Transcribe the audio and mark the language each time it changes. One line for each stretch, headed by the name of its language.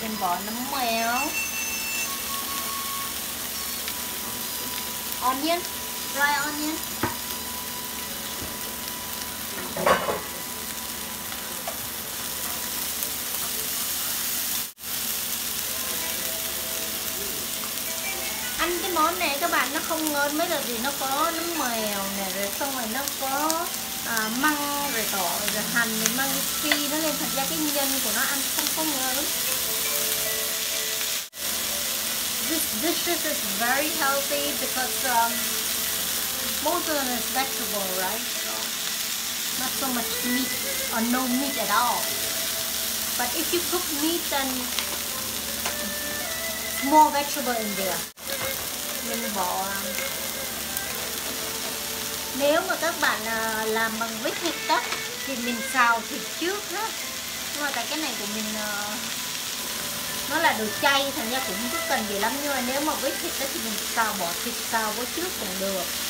Vietnamese: Mình bỏ nấm mèo,
English: onion, dry onion,
Vietnamese: ăn cái món này các bạn nó không ngon mấy là vì nó có nấm mèo này rồi xong rồi nó có măng rồi tỏi rồi hành rồi măng phi nó lên, thật ra cái nhân của nó ăn không ngon.
English: This dish is very healthy because most of it is vegetable, right? Not so much meat or no meat at all. But if you cook meat, then more vegetable in there.
Vietnamese: Mình bỏ. Nếu mà các bạn làm bằng với thịt đó, thì mình xào thịt trước đó. Nhưng mà tại cái này của mình nó là đồ chay, thành ra cũng không cần gì lắm. Nhưng mà nếu mà với thịt đó thì mình xào, bỏ thịt xào với trước cũng được.